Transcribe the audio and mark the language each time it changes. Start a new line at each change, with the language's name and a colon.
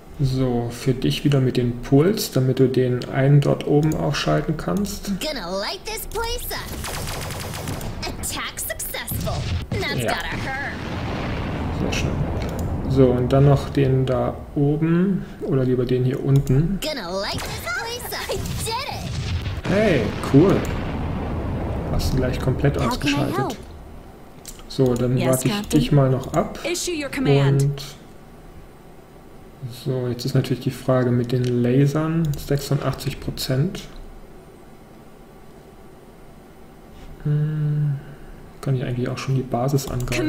German: So, für dich wieder mit dem Puls, damit du den einen dort oben auch schalten kannst.
English: Gonna light this place up. Attack successful. That's gotta hurt.
German: Sehr schön. So, und dann noch den da oben oder lieber den hier unten.
English: Gonna light this place up. I did it.
German: Hey, cool. Hast du gleich komplett ausgeschaltet. So, dann warte ich dich mal noch ab.
English: Issue your command.
German: Und so, jetzt ist natürlich die Frage mit den Lasern. 86%. Kann ich eigentlich auch schon die Basis angreifen.